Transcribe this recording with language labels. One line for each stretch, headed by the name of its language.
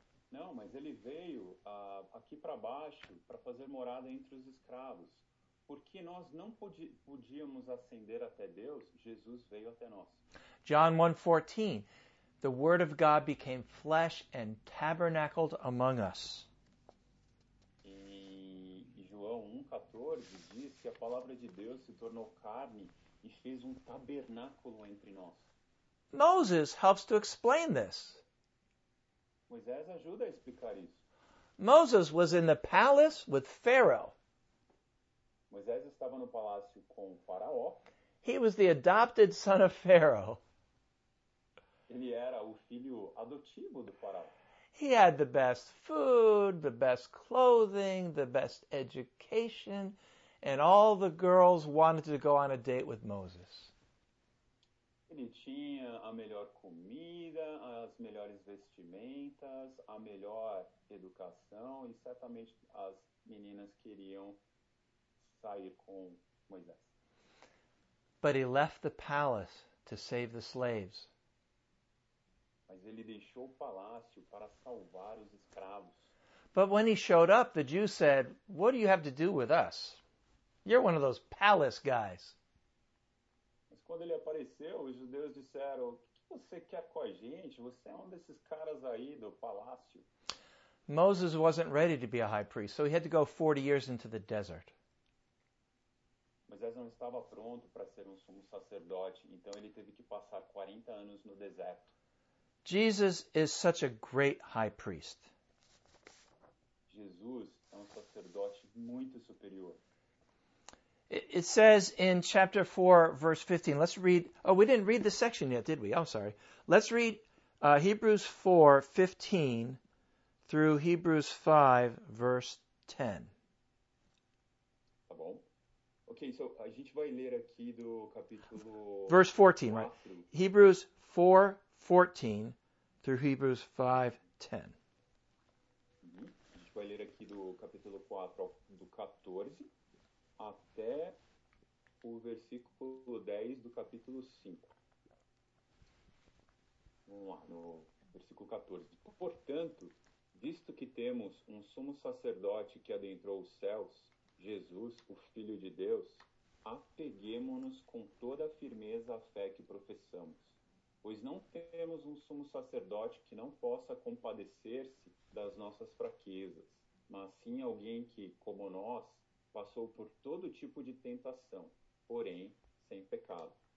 Portuguese: Não, mas ele veio aqui para baixo para fazer morada entre os escravos. Porque nós não podíamos ascender até Deus, Jesus veio até nós.
English: John 1:14. The word of God became flesh and tabernacled among us.
Portuguese: E João 1:14 diz que a palavra de Deus se tornou carne e fez tabernáculo entre nós.
English: Moses helps to explain this.
Portuguese: Moisés ajuda a explicar isso.
English: Moses was in the palace with Pharaoh.
Portuguese: Moisés estava no palácio com o faraó.
English: He was the adopted son of Pharaoh.
Portuguese: Ele era o filho adotivo do faraó.
English: He had the best food, the best clothing, the best education, and all the girls wanted to go on a date with Moses.
Portuguese: Ele tinha a melhor comida, as melhores vestimentas, a melhor educação e certamente as meninas queriam sair com Moisés.
English: But he left the palace to save the slaves.
Portuguese: Mas ele deixou o palácio para salvar os escravos.
English: But when he showed up, the Jews said, "What do you have to do with us? You're one of those palace guys."
Portuguese: Mas quando ele apareceu, os judeus disseram, "O que você quer com a gente? Você é um desses caras aí do palácio."
English: Moses wasn't ready to be a high priest, so he had to go 40 years into the desert.
Portuguese: Moisés não estava pronto para ser um sumo sacerdote, então ele teve que passar 40 anos no deserto.
English: Jesus is such a great high priest.
Portuguese: Jesus é um sacerdote muito superior.
English: It says in chapter 4, verse 15, let's read, oh, we didn't read the section yet, did we? Oh, sorry. Let's read Hebrews 4, 15 through Hebrews 5, verse 10. Okay, so
Portuguese: a gente vai ler aqui do capítulo...
English: Verse 14, right? Hebrews 4, 14 through Hebrews 5, 10.
Portuguese: A gente vai ler aqui do capítulo 4, do 14, até o versículo 10 do capítulo 5. Vamos lá, no versículo 14. Portanto, visto que temos um sumo sacerdote que adentrou os céus, Jesus, o Filho de Deus, apeguemo-nos com toda a firmeza à fé que professamos, pois não temos um sumo sacerdote que não possa compadecer-se das nossas fraquezas, mas sim alguém que, como nós, passou por todo tipo de tentação, porém sem pecado.